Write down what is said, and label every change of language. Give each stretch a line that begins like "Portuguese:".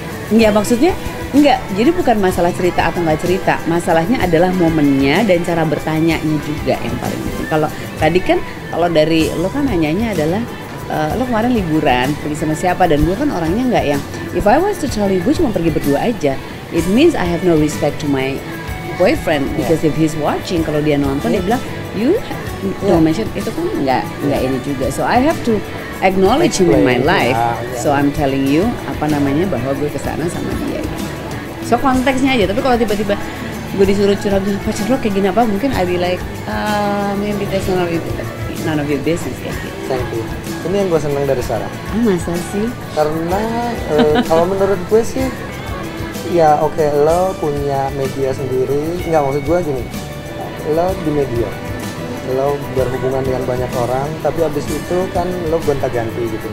Indonesian: Iya maksudnya? Enggak, jadi bukan masalah cerita atau enggak cerita. Masalahnya adalah momennya dan cara bertanyanya juga yang paling penting. Kalau tadi kan, kalau dari lo kan nanyanya adalah lo kemarin liburan, pergi sama siapa? Dan gue kan orangnya enggak yang
English: if I was to tell you,
Indonesian: gue cuma pergi berdua aja.
English: It means I have no respect to my boyfriend. Because if he's watching,
Indonesian: kalau dia nonton, dia bilang,
English: you no mention
Indonesian: itu kan enggak ini juga.
English: So I have to acknowledge him in my life. So I'm telling you
Indonesian: apa namanya bahwa gue kesana sama dia. So konteksnya aja, tapi kalau tiba-tiba gue disuruh curhat sama pacar lo kayak gini apa, mungkin
English: I'd be like maybe that's not really none of your business. Thank you.
Indonesian: Ini yang gue seneng dari Sarah. Oh, masa sih? Karena kalau menurut gue sih, ya oke, okay, lo punya media sendiri. Enggak, maksud gue gini, lo di media, lo berhubungan dengan banyak orang, tapi abis itu kan lo gonta-ganti gitu.